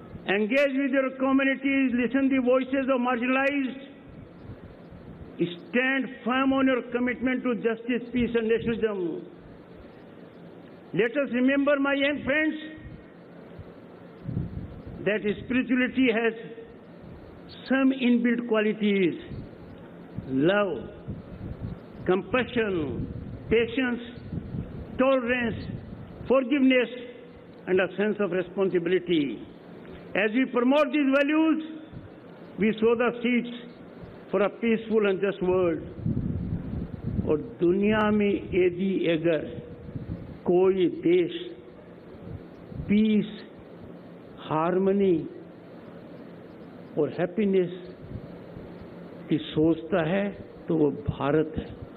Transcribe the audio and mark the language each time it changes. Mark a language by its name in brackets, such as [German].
[English] Engage with your communities, listen the voices of marginalised, stand firm on your commitment to justice, peace and nationalism. Let us remember my young friends that spirituality has some inbuilt qualities. Love, compassion, patience, tolerance, forgiveness, and a sense of responsibility. As we promote these values, we sow the seeds for a peaceful and just world. [Hindi] और दुनिया में यदि अगर कोई देश piece harmony और happiness की सोचता है तो वो भारत है